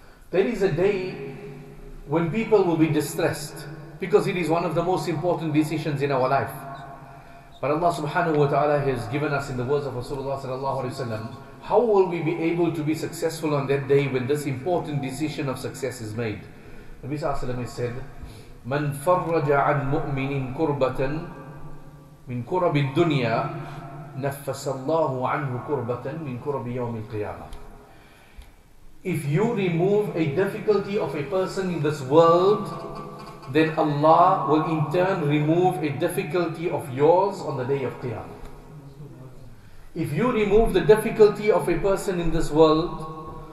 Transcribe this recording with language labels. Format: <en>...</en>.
<en>There is a day when people will be distressed because it is one of the most important decisions in our life. But Allah</en> <ar>subhanahu wa ta'ala</ar> <en>has given us in the words of Rasulullah</en> <ar>sallallahu alayhi wa sallam,</ar> <en>how will we be able to be successful on that day when this important decision of success is made?</en> <ar>Nabi sallallahu alayhi wa sallam said, مَنْ فَرَّجَ عَنْ مُؤْمِنٍ كُرْبَةً مِنْ كُرَبِ الدُّنْيَا نَفَّسَ اللَّهُ عَنْهُ كُرْبَةً مِنْ كُرَبِ يَوْمِ الْقِيَامَةِ.</ar> <en>If you remove a difficulty of a person in this world, then Allah will in turn remove a difficulty of yours on the day of Qiyamah. If you remove the difficulty of a person in this world,</en>